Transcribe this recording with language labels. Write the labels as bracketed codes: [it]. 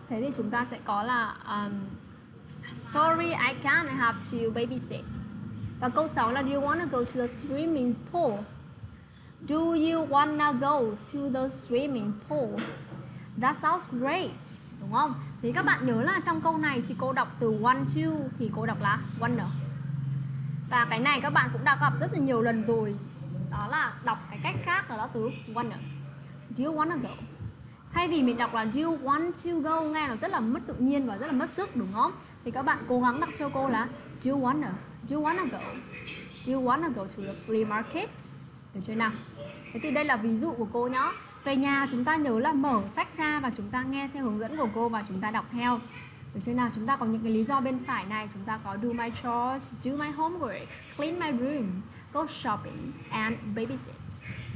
[vi] Thế thì chúng ta sẽ có là [en] sorry, I can't, I have to babysit. [vi] Và câu 6 là [en] do you wanna go to the swimming pool? Do you wanna go to the swimming pool? That sounds great, [vi] đúng không? Thì các bạn nhớ là trong câu này thì cô đọc từ want to thì cô đọc là wanna. Và cái này các bạn cũng đã gặp rất là nhiều lần rồi, đó là đọc cái cách khác là đó từ wanna. [en] Do you wanna go? [vi] Thay vì mình đọc là [en] do you want to go [vi] nghe nó rất là mất tự nhiên và rất là mất sức, đúng không? Thì các bạn cố gắng đọc cho cô là [en] Do you wanna go? Do you wanna go to the flea market? [vi] Được chưa nào? Thế thì đây là ví dụ của cô nhá. Về nhà chúng ta nhớ là mở sách ra và chúng ta nghe theo hướng dẫn của cô và chúng ta đọc theo. Được chưa nào? Chúng ta có những cái lý do bên phải này. Chúng ta có [en] do my chores, do my homework, clean my room, go shopping and babysit.